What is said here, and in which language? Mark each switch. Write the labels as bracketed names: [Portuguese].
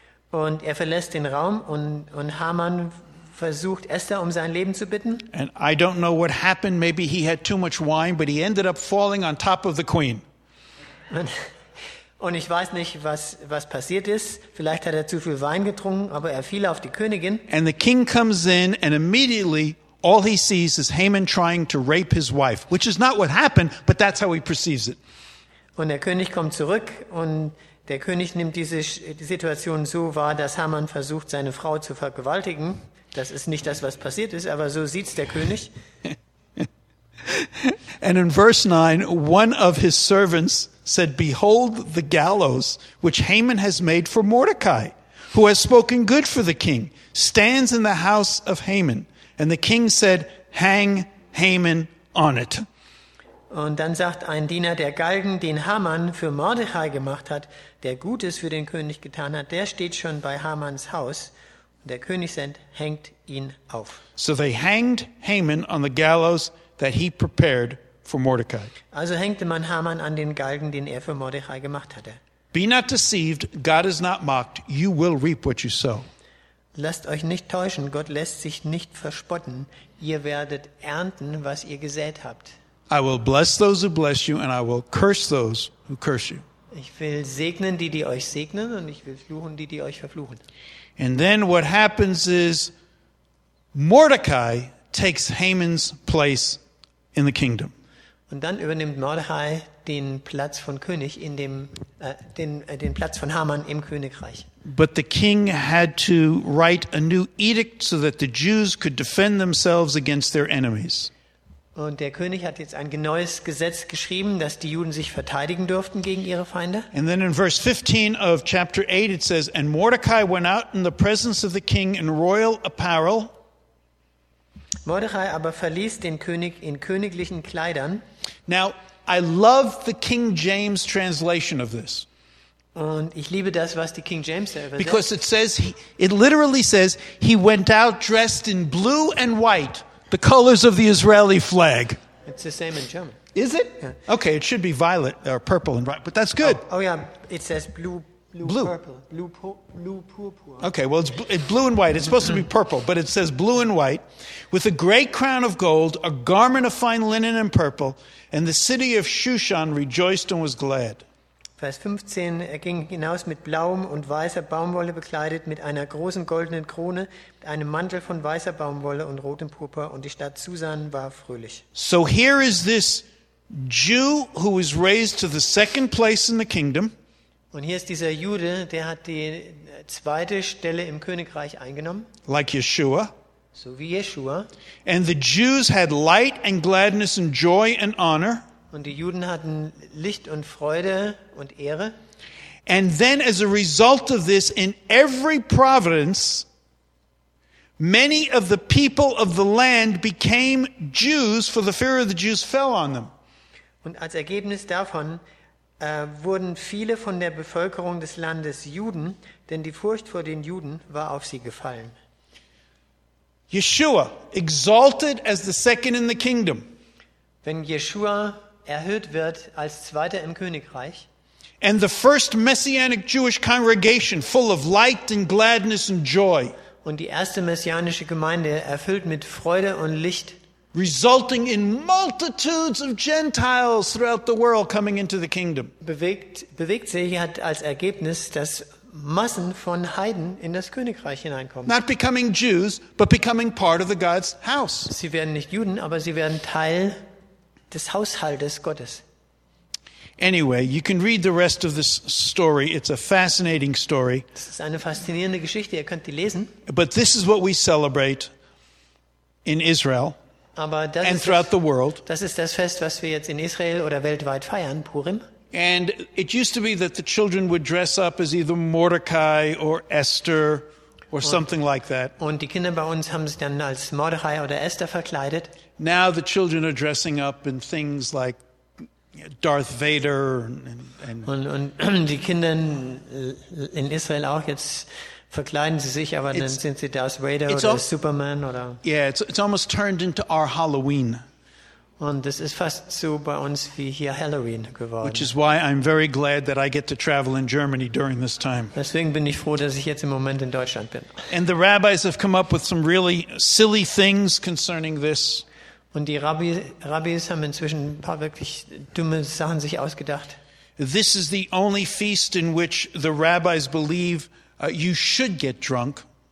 [German] Und er verlässt den Raum und Haman versucht Esther um sein Leben zu bitten. [English] And I don't know what happened, maybe he had too much wine, but he ended up falling on top of the queen. [German] Und ich weiß nicht, was passiert ist. Vielleicht hat er zu viel Wein getrunken, aber er fiel auf die Königin. [English] And the king comes in and immediately all he sees is Haman trying to rape his wife, which is not what happened, but that's how he perceives it. [German] Und der König kommt zurück und der König nimmt diese Situation so wahr, dass Haman versucht, seine Frau zu vergewaltigen. Das ist nicht das, was passiert ist, aber so sieht's der König. [English] And in verse 9, one of his servants said, "Behold the gallows which Haman has made for Mordecai, who has spoken good for the king, stands in the house of Haman." And the king said, "Hang Haman on it." [German] Und dann sagt ein Diener, der Galgen, den Haman für Mordecai gemacht hat, der Gutes für den König getan hat, der steht schon bei Hamans Haus. Und der König sagt, hängt ihn auf. [English] So they hanged Haman on the gallows that he prepared for Mordecai. [German] Also hängte man Haman an den Galgen, den er für Mordecai gemacht hatte. [English] Be not deceived, God is not mocked, you will reap what you sow. [German] Lasst euch nicht täuschen, Gott lässt sich nicht verspotten, ihr werdet ernten, was ihr gesät habt. [English] I will bless those who bless you and I will curse those who curse you. [German] Ich will segnen, die euch segnen und ich will fluchen, die euch verfluchen. [English] And then what happens is Mordecai takes Haman's place in the kingdom. [German] Und dann übernimmt Mordechai den Platz von König in dem den Platz von Haman im Königreich. [English] But the king had to write a new edict so that the Jews could defend themselves against their enemies. [German] Und der König hat jetzt ein neues Gesetz geschrieben, dass die Juden sich verteidigen durften gegen ihre Feinde. [English] And then in verse 15 of chapter 8 it says, and Mordecai went out in the presence of the king in royal apparel. [German] Mordechai aber verließ den König in königlichen Kleidern. [English] Now, I love the King James translation of this. [German] Und ich liebe das, was die King James übersetzt. [English] Because it says, it literally says, he went out dressed in blue and white, the colors of the Israeli flag. It's the same in German. Is it? Yeah. Okay, it should be violet or purple and white, but that's good. Oh, yeah, it says blue, purple. Okay, well, it's blue and white. It's supposed to be purple, but it says blue and white, with a great crown of gold, a garment of fine linen and purple, and the city of Shushan rejoiced and was glad. [German] Vers 15, er ging hinaus mit blauem und weißer Baumwolle bekleidet, mit einer großen goldenen Krone, mit einem Mantel von weißer Baumwolle und rotem Purpur, und die Stadt Susan war fröhlich. [English] So here is this Jew who was raised to the second place in the kingdom. [German] Und hier ist dieser Jude, der hat die zweite Stelle im Königreich eingenommen. [English] Like Yeshua. [German] So wie Yeshua. [English] And the Jews had light and gladness and joy and honor. [German] Und die Juden hatten Licht und Freude und Ehre. [English] And then as a result of this, in every province, many of the people of the land became Jews, for the fear of the Jews fell on them. [German] Und als Ergebnis davon wurden viele von der Bevölkerung des Landes Juden, denn die Furcht vor den Juden war auf sie gefallen. [English] Yeshua, exalted as the second in the kingdom. [German] Wenn Yeshua erhöht wird als Zweiter im Königreich. [English] And the first messianic Jewish congregation full of light and gladness and joy. [German] Und die erste messianische Gemeinde erfüllt mit Freude und Licht. [English] Resulting in multitudes of Gentiles throughout the world coming into the kingdom. [German] Bewegt sich, hat als Ergebnis, dass Massen von Heiden in das Königreich hineinkommen. [English] Not becoming Jews, but becoming part of the God's house. [German] Sie werden nicht Juden, aber sie werden Teil des Haushaltes Gottes. [English] Anyway, you can read the rest of this story. It's a fascinating story. [German] Das ist eine faszinierende Geschichte. Ihr könnt die lesen. [English] But this is what we celebrate in Israel and throughout the world. [German] Das ist das Fest, was wir jetzt in Israel oder weltweit feiern, Purim. [English] And it used to be that the children would dress up as either Mordecai or Esther or something like that. [German] Und die Kinder bei uns haben sich dann als Mordechai oder Esther verkleidet. [English] Now the children are dressing up in things like Darth Vader [German] und die Kinder in Israel auch jetzt verkleiden sie sich, aber dann sind sie Darth Vader oder Superman oder. [English] Yeah, it's almost turned into our Halloween. [German] Und das ist fast so bei uns wie hier Halloween geworden. [English] Which is why I'm very glad that I get to travel in Germany during this time. [German] Deswegen bin ich froh, dass ich jetzt im Moment in Deutschland bin. [English] And the rabbis have come up with some really silly things concerning this. [German] Und die Rabbis haben inzwischen ein paar wirklich dumme Sachen sich ausgedacht. [English] This is the only feast in which the rabbis believe you should get drunk.